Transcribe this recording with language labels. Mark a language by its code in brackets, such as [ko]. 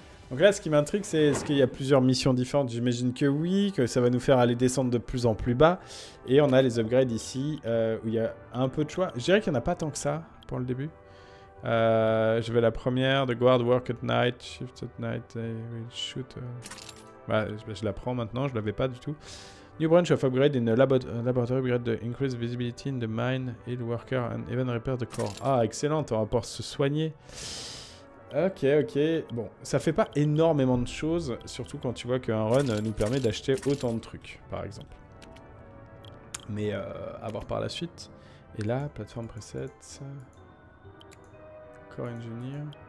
[fr] Donc là, ce qui m'intrigue, c'est est-ce qu'il y a plusieurs missions différentes? J'imagine que oui, que ça va nous faire aller descendre de plus en plus bas. Et on a les upgrades ici, où il y a un peu de choix. Je dirais qu'il n'y en a pas tant que ça, pour le début. Je vais la première, [en] The Guard Work at Night, Shift at Night, I will shoot. [fr] Bah, je la prends maintenant, je ne l'avais pas du tout. [en] New branch of upgrade in a laboratory upgrade to increase visibility in the mine, heal worker and even repair the core. [fr] Ah, excellent, on va pouvoir se soigner. Ok, ok. Bon, ça fait pas énormément de choses, surtout quand tu vois qu'un run nous permet d'acheter autant de trucs, par exemple. Mais à voir par la suite. Et là, plateforme preset. [en] Core engineer.